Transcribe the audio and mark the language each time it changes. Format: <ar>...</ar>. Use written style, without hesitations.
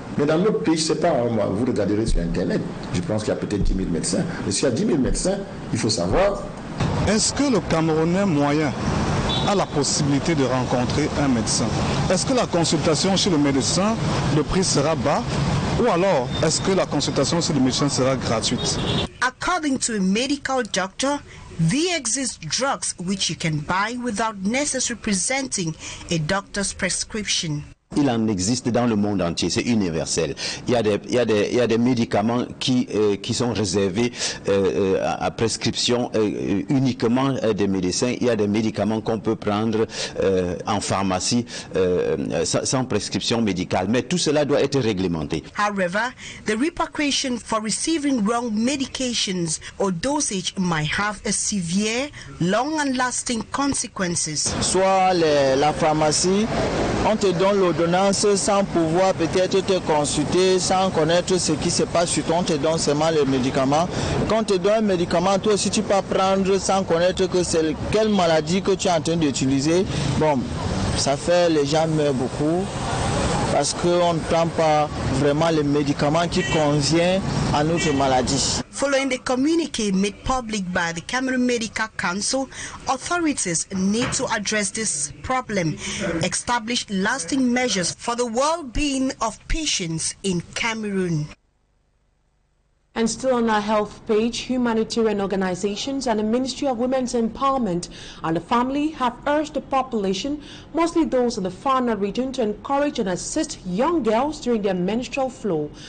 <fr>Mais dans notre pays, je ne sais pas, moi, vous regarderez sur Internet, je pense qu'il y a peut-être 10 000 médecins. Mais s'il y a 10 000 médecins, il faut savoir. Est-ce que le Camerounais moyen a la possibilité de rencontrer un médecin? Est-ce que la consultation chez le médecin, le prix sera bas? Ou alors, est-ce que la consultation chez le médecin sera gratuite?</fr> <en>According to a medical doctor, there exist drugs which you can buy without necessarily presenting a doctor's prescription.</en> <fr>Il en existe dans le monde entier, c'est universel. Il y a des médicaments qui sont réservés à prescription uniquement des médecins. Il y a des médicaments qu'on peut prendre en pharmacie sans prescription médicale. Mais tout cela doit être réglementé.</fr> <en>However, the repercussion for receiving wrong medications or dosage might have a severe, long and lasting consequences.</en> <fr>Soit la pharmacie, on te donne l'ordonnance sans pouvoir peut-être te consulter, sans connaître ce qui se passe sur toi, on te donne seulement les médicaments. Quand on te donne un médicament, toi aussi tu peux prendre sans connaître que c'est quelle maladie que tu es en train d'utiliser. Bon, ça fait les gens meurent beaucoup parce qu'on ne prend pas vraiment les médicaments qui conviennent à notre maladie.</fr> <en>Following the communique made public by the Cameroon Medical Council, authorities need to address this problem, establish lasting measures for the well-being of patients in Cameroon. And still on our health page, humanitarian organizations and the Ministry of Women's Empowerment and the Family have urged the population, mostly those in the Farna region, to encourage and assist young girls during their menstrual flow.</en>